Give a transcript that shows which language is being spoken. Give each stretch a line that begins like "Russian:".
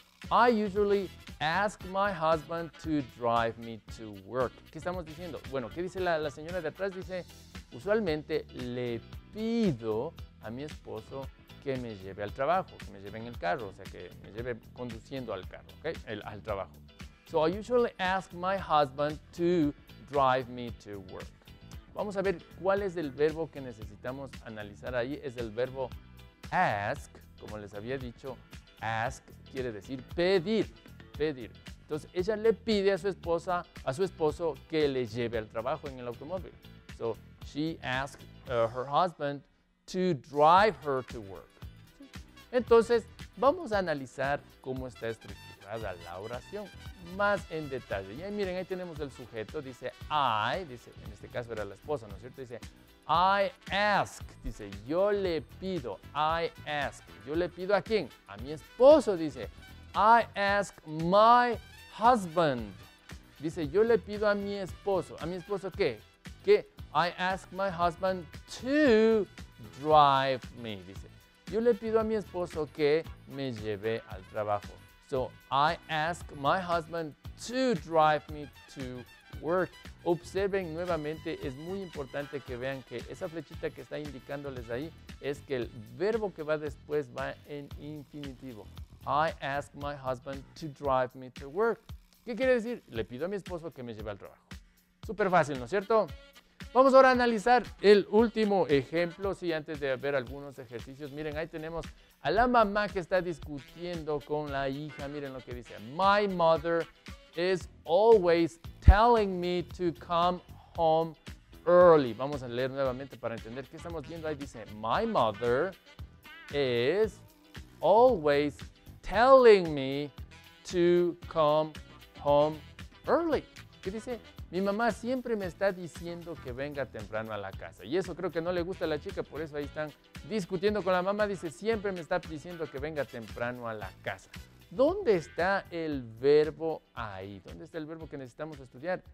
English: I usually ask my husband to drive me to work.
Spanish: ¿Qué estamos diciendo? Bueno, ¿qué dice la señora de atrás? Dice, usualmente le pido a mi esposo que me lleve al trabajo, que me lleve en el carro, o sea, que me lleve conduciendo al carro, ¿ok? Al trabajo.
English: So, I usually ask my husband to drive me to work.
Spanish: Vamos a ver cuál es el verbo que necesitamos analizar ahí. Es el verbo ask. Como les había dicho, ask quiere decir pedir, pedir. Entonces, ella le pide a su esposo que le lleve al trabajo en el automóvil.
English: So, she asks her husband to drive her to work.
Spanish: Entonces, vamos a analizar cómo está estructurado la oración más en detalle. Y ahí, miren, ahí tenemos el sujeto, dice, en este caso era la esposa, ¿no es cierto? Dice,
English: I ask,
Spanish: dice, yo le pido, I ask. ¿Yo le pido a quién? A mi esposo, dice.
English: I ask my husband.
Spanish: Dice, yo le pido a mi esposo. ¿A mi esposo qué? Que
English: I ask my husband to drive me,
Spanish: dice. Yo le pido a mi esposo que me lleve al trabajo.
English: So I ask my husband to drive me to work.
Spanish: Observen nuevamente, es muy importante que vean que esa flechita que está indicándoles ahí es que el verbo que va después va en infinitivo.
English: I ask my husband to drive me to work.
Spanish: ¿Qué quiere decir? Le pido a mi esposo que me lleve al trabajo. Súper fácil, ¿no es cierto? Vamos ahora a analizar el último ejemplo. Sí, antes de ver algunos ejercicios, miren, ahí tenemos a la mamá que está discutiendo con la hija. Miren lo que dice.
English: My mother is always telling me to come home early.
Spanish: Vamos a leer nuevamente para entender qué estamos viendo. Ahí dice,
English: my mother is always telling me to come home early.
Spanish: ¿Qué dice? Mi mamá siempre me está diciendo que venga temprano a la casa. Y eso creo que no le gusta a la chica, por eso ahí están discutiendo con la mamá. Dice, siempre me está diciendo que venga temprano a la casa. ¿Dónde está el verbo ahí? ¿Dónde está el verbo que necesitamos estudiar?